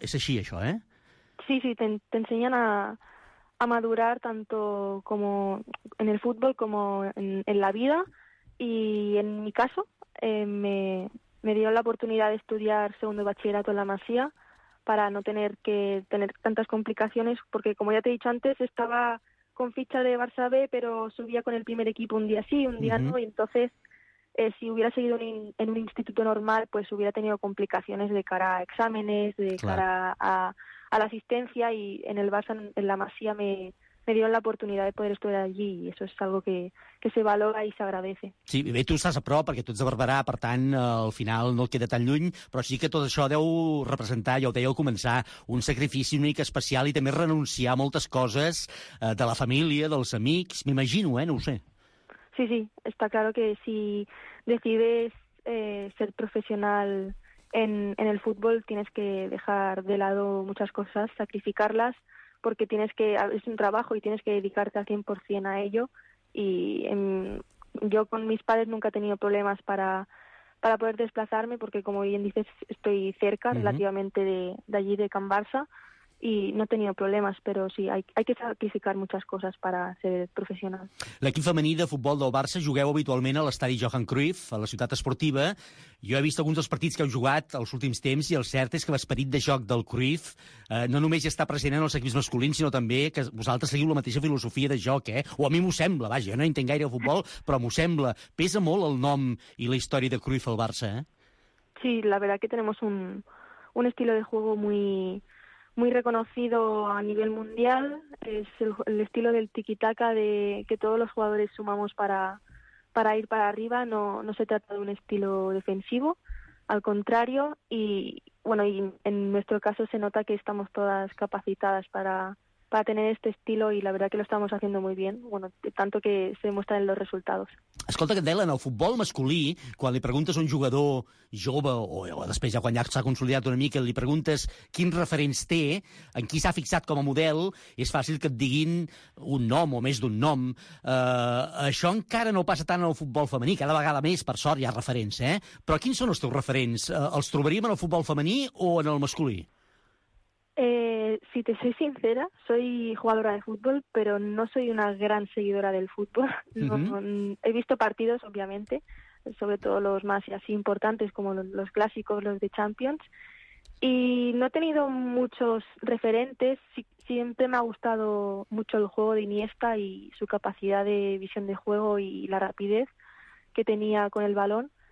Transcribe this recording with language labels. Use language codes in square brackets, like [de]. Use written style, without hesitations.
[ca] És així, això, eh? Sí, sí, t'ensenyen a madurar [es] tanto como en el [ca] futbol com en la vida. [es] Y en mi caso, me dieron la oportunidad de estudiar segundo bachillerato en la Masia para no tener que tener tantas complicaciones, porque como ya te he dicho antes, estaba con ficha de Barça B, pero subía con el primer equipo un día sí, un día uh-huh. no, y entonces si hubiera seguido en un instituto normal, pues hubiera tenido complicaciones de cara a exámenes, de claro. cara a la asistencia, y en el Barça, en la Masia me dieron la oportunidad de poder estudiar allí y eso es algo que se valora y se agradece. [ca] Sí, bé, tu estàs a prop perquè tu ets de Barberà, per tant, al final no queda tan lluny, però sí que tot això deu representar, ja ho deia al començar, un sacrifici una mica especial i també renunciar a moltes coses de la família, dels amics, m'imagino, no ho sé. [es] Sí, sí, está claro que si decides ser profesional en el fútbol tienes que dejar de lado muchas cosas, sacrificarlas, porque tienes que es un trabajo y tienes que dedicarte al 100% a ello y yo con mis padres nunca he tenido problemas para poder desplazarme porque como bien dices estoy cerca uh-huh. relativamente de allí de Can Barça y no he tenido problemas, pero sí hay que sacrificar muchas cosas para ser profesional. [ca] L'equip femení de futbol del Barça jugueu habitualment a l'estadi Johan Cruyff, a la Ciutat Esportiva. Jo he vist alguns dels partits que heu jugat els últims temps i el cert és que l'esperit de joc del Cruyff no només ja està present en els equips masculins, sinó també que vosaltres seguiu la mateixa filosofia de joc, eh? O a mi m'ho sembla, vaja, jo no entenc gaire el futbol, però m'ho sembla. Pesa molt el nom i la història de Cruyff al Barça, eh? Sí, la verdad que tenemos un estilo de juego muy reconocido a nivel mundial, es el estilo del tiki-taka de que todos los jugadores sumamos para ir para arriba, no se trata de un estilo defensivo, al contrario, y bueno, y en nuestro caso se nota que estamos todas capacitadas para tener este estilo y la verdad que lo estamos haciendo muy bien, bueno, tanto que se demuestra en los resultados. Escolta, Candela, en el futbol masculí, quan li preguntes a un jugador jove o després ja quan ja s'ha consolidat una mica, li preguntes quins referents té, en qui s'ha fixat com a model, és fàcil que et diguin un nom o més d'un nom. Això encara no passa tant en el futbol femení, cada vegada més, per sort, hi ha referents, eh? Però quins són els teus referents? Els trobaríem en el futbol femení o en el masculí? [es] Si te soy sincera, soy jugadora de fútbol, pero no soy una gran seguidora del fútbol. He visto partidos, obviamente, sobre todo los más y así importantes, como los clásicos, los de Champions. Y no he tenido muchos referentes. Siempre me ha gustado mucho el juego de Iniesta y su capacidad de visión de juego y la rapidez que tenía con el balón.